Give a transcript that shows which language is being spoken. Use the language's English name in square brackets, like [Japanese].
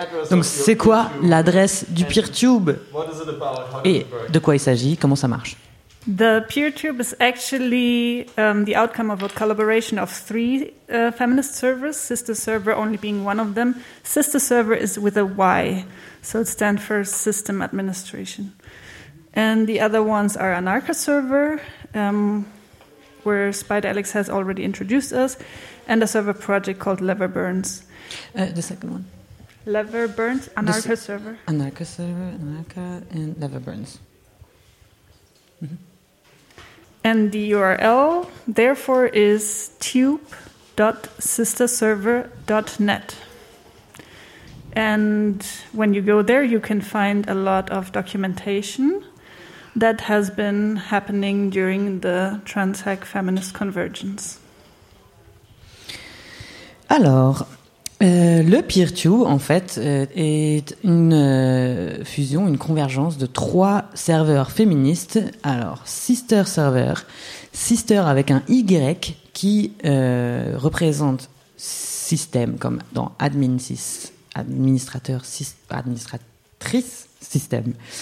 [French] Donc c'est quoi l'adresse du PeerTube et de quoi il s'agit, comment ça marche? [English] The PeerTube is actually the outcome of a collaboration of three feminist servers, Sister Server only being one of them. Sister Server is with a Y, so it stands for System Administration. And the other ones are Anarcha Server, where Spider Alex has already introduced us, and a server project called Lever Burns. The second one. Lever Burns, Anarcha Server. Anarcha Server, Anarcha, and Lever Burns. And the URL, therefore, is tube.sisterserver.net. And when you go there, you can find a lot of documentation that has been happening during the Transhack Feminist Convergence. [French] Alors, le PeerTube, en fait, est une fusion, une convergence de trois serveurs féministes. Alors, Sister Server, Sister avec un Y qui représente système, comme dans Admin Sys, administrateur, administratrice, système.